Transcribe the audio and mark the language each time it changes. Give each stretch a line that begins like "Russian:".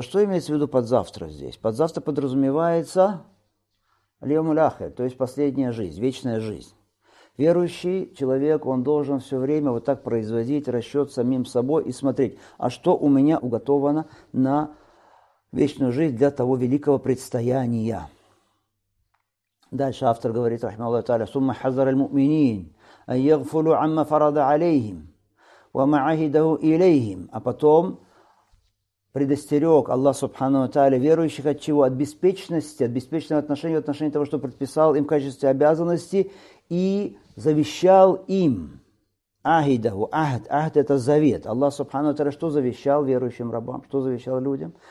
Russian: Что имеется в виду под завтра здесь? Под завтра подразумевается лиомуляхе, то есть последняя жизнь, вечная жизнь. Верующий человек, он должен все время вот так производить расчет самим собой и смотреть, а что у меня уготовано на вечную жизнь для того великого предстояния. Дальше автор говорит,
Arabic: رحمه الله تعالى, ثم حذر المؤمنين أن يغفلوا عما فرض عليهم وما عهده إليهم.
Russian: А потом предостерег Аллах سبحانه وتعالى верующих от чего? От беспечности, от беспечного отношения, от отношения того, что предписал им в качестве обязанности и завещал им. Ахидаху, ахд, ахд – это завет. Аллах سبحانه وتعالى что завещал верующим рабам? Что завещал людям?